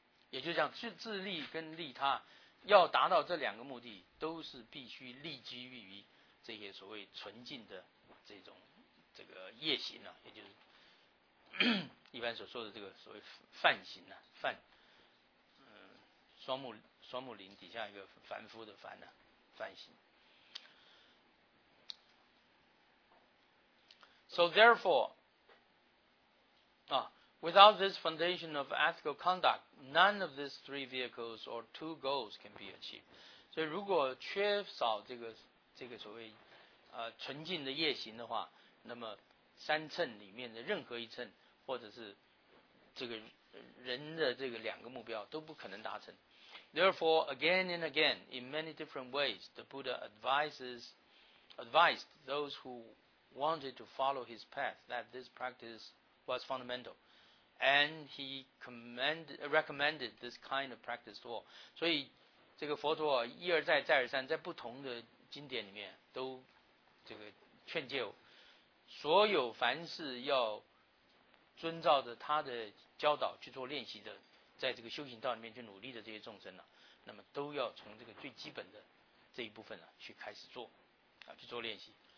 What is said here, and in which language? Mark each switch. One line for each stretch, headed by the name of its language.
Chinese: 也就是讲自利跟利他要达到这两个目的，都是必须立基于这些所谓纯净的这种这个业行、啊、也就是一般所说的这个所谓梵行啊，梵，双木林底下一个凡夫的凡啊，梵行。
English: So therefore, without this foundation of ethical conduct, none of these three vehicles or two goals can be achieved.
Chinese: 所以如果缺少这个所谓纯净的业行的话，那么三乘里面的任何一乘，或者是这个人的这个两个目标都不可能达成。
English: Therefore, again and again, in many different ways, the Buddha advised those who wanted to follow his path that this practice was fundamental. And he recommended this kind of practice to all.
Chinese: 所以这个佛陀一而再再而三在不同的经典里面都这个劝诫我，所有凡事要遵照着他的教导去做练习的，在这个修行道里面去努力的这些众生、啊、那么都要从这个最基本的这一部分、啊、去开始做、啊、去做练习。